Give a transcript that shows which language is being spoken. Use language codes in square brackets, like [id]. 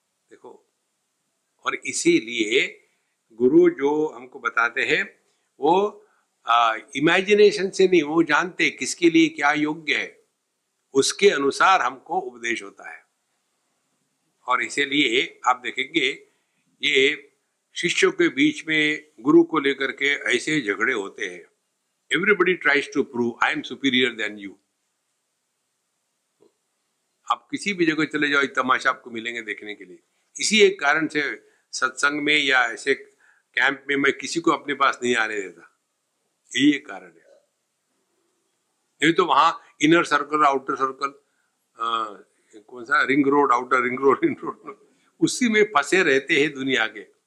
[hi] देखो और इसीलिए गुरु जो हमको बताते हैं वो इमेजिनेशन से नहीं, वो जानते किसके लिए क्या योग्य है, उसके अनुसार हमको उपदेश होता है। और इसीलिए आप देखेंगे ये शिष्यों के बीच में गुरु को लेकर के ऐसे झगड़े होते हैं। [en] Everybody tries to prove I am superior than you. [hi] आप किसी भी जगह चले जाओ तमाशा आपको मिलेंगे देखने के लिए। इसी एक कारण से सत्संग में या ऐसे कैंप में मैं किसी को अपने पास नहीं आने देता, यही एक कारण है। नहीं तो वहां इनर सर्कल आउटर सर्कल कौन सा ring road outer ring road इन रोड उसी में फंसे रहते हैं दुनिया के।